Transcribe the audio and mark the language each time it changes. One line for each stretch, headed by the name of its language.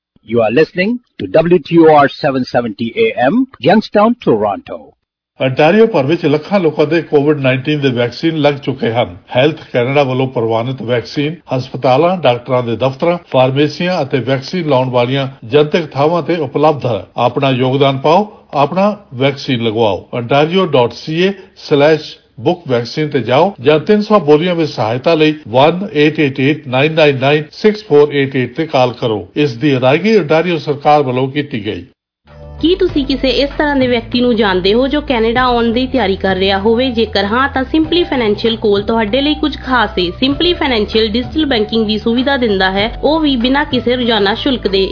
English: You are listening to WTUR 770 AM, Youngstown, Toronto.
Punjabi: Ontario پر وچ لکھاں لوکاں دے کووڈ 19 دے vaccine لگ چکے ہن. ہیلتھ کینیڈا والوں پروانت ویکسین ہسپتالاں, ڈاکٹراں دے دفتراں, فارمیسیاں اتے ویکسین لاؤن والیاں جنتک تھاواں تے اپلبدھ ہے. اپنا یوگدان پاؤ, اپنا ویکسین لگواؤ. ontario.ca/book vaccine تے جاؤ یا 300 بولیاں وچ سہایتا لئی 1-888-999-6488 تے کال کرو. اس دی ادائیگی انٹاریو سرکار والوں کیتی گئی. ਕੀ ਤੁਸੀਂ ਕਿਸੇ ਇਸ ਤਰ੍ਹਾਂ ਦੇ ਵਿਅਕਤੀ ਨੂੰ ਜਾਣਦੇ ਹੋ ਜੋ ਕੈਨੇਡਾ ਆਉਣ ਦੀ ਤਿਆਰੀ ਕਰ ਰਿਹਾ ਹੋਵੇ? ਜੇਕਰ ਹਾਂ ਤਾਂ ਸਿੰਪਲੀ ਫਾਈਨੈਂਸ਼ੀਅਲ ਕੋਲ ਤੁਹਾਡੇ ਲਈ ਕੁਝ ਖਾਸ ਹੈ. ਸਿੰਪਲੀ ਫਾਈਨੈਂਸ਼ੀਅਲ ਡਿਜੀਟਲ ਬੈਂਕਿੰਗ ਦੀ ਸੁਵਿਧਾ ਦਿੰਦਾ ਹੈ, ਉਹ ਵੀ ਬਿਨਾਂ ਕਿਸੇ ਰੋਜ਼ਾਨਾ ਸ਼ੁਲਕ ਦੇ.